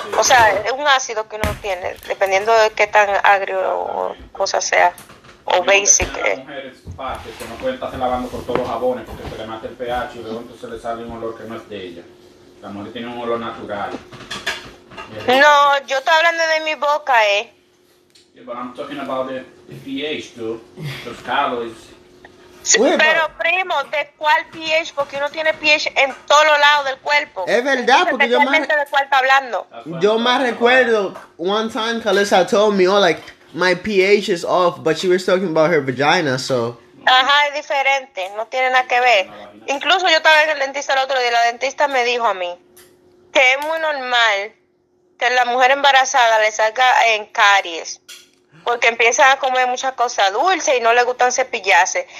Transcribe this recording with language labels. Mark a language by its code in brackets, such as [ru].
[es] O sea, es un ácido que uno tiene, dependiendo de qué tan agrio o cosa sea. O basic. Las mujeres fáciles que no pueden estarse lavando por todos los jabones porque se le mata el pH y de pronto se le sale un olor que no es de ella. La mujer tiene un olor natural. No, yo estoy hablando de mi boca, eh. [en] Yeah, but I'm talking about the pH, too. [es] Los calories. Sí, pero primo, ¿de cuál pH? Porque uno tiene pH en todos los lados del cuerpo. Es verdad, porque yo más. ¿De cuál está hablando? Yo más recuerdo, [en] one time Calissa told me, oh, like. My pH is off, but she was talking about her vagina, so... [es] Ajá, es diferente, no tiene nada que ver. Incluso yo estaba en el dentista el otro día, la dentista me dijo a mí que es muy normal que la mujer embarazada le salga en caries porque empieza a comer muchas cosas dulces y no le gustan cepillarse.